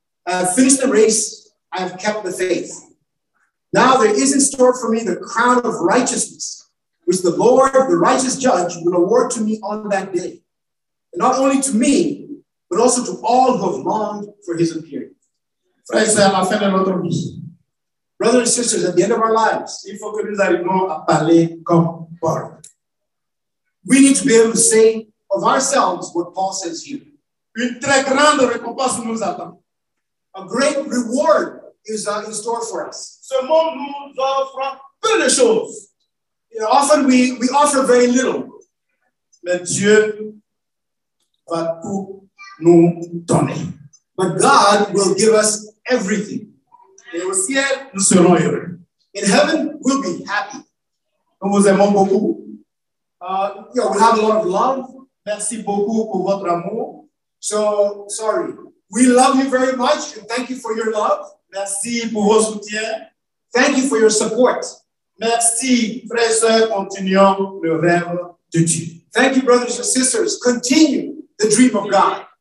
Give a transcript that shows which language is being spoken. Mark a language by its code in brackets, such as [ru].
[en] I have finished the race. I have kept the faith. Now there is in store for me the crown of righteousness, which the Lord, the righteous judge, will award to me on that day. And not only to me, but also to all who have longed for his appearing. [fr] Frères et sœurs, à la fin de notre vie. [en] Brothers and sisters, at the end of our lives, [fr] il faut que nous arrivions à parler comme Paul. [en] We need to be able to say of ourselves what Paul says here. [fr] Une très grande récompense nous attend. [en] A great reward is in store for us. [fr] Ce monde nous offre peu de choses. [en] You know, often we offer very little. [fr] Mais Dieu va tout nous donner. [en] But God will give us everything. [fr] Et au ciel, nous serons heureux. [en] In heaven, we'll be happy. [fr] Nous vous aimons beaucoup. [en] We have a lot of love. [fr] Merci beaucoup pour votre amour. [en] So, sorry. We love you very much and thank you for your love. [fr] Merci pour vos soutiens. [en] Thank you for your support. [fr] Merci, frères et sœurs, continuons le rêve de Dieu. [en] Thank you, brothers and sisters. Continue the dream of God.